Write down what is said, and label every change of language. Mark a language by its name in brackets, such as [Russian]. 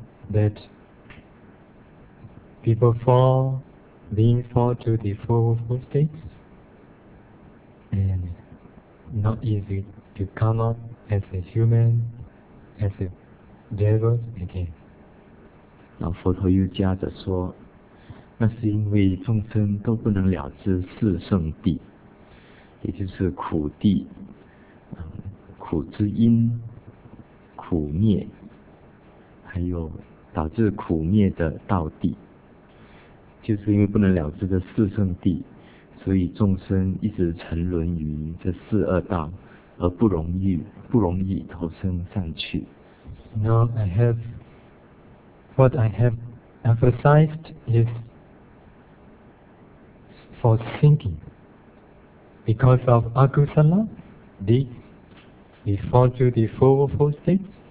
[English] That people fall, beings fall to the Fourfold States, andNot easy to come up as a human, as a devil again. [Chinese] 然后佛陀又加着说，那是因为众生都不能了知四圣谛，也就是苦谛、苦之因、苦灭，还有导致苦灭的道谛，就是因为不能了知的四圣谛。所以众生一直沉沦于这四恶道，而不容易投生善趣。 [English] Now what I have emphasized is for thinking, because of akusala, we fall to the four states.